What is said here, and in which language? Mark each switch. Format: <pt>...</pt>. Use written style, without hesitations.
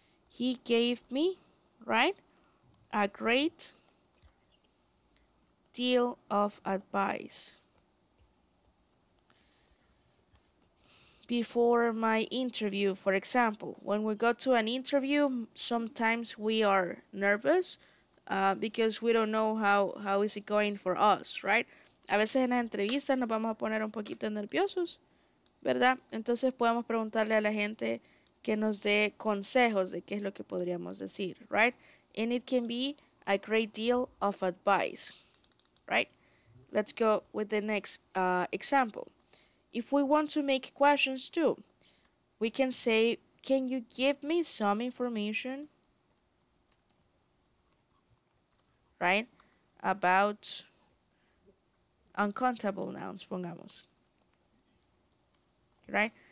<en>He gave me, right, a great deal of advice before my interview. For example, when we go to an interview, sometimes we are nervous because we don't know how is it going for us, right?</en> <es>A veces en la entrevista nos vamos a poner un poquito nerviosos, ¿verdad? Entonces podemos preguntarle a la gente que nos dé consejos de qué es lo que podríamos decir, right?</es> <en>And it can be a great deal of advice, right? Let's go with the next example. If we want to make questions too, we can say, can you give me some information, right, about uncountable nouns, pongamos, right?</en>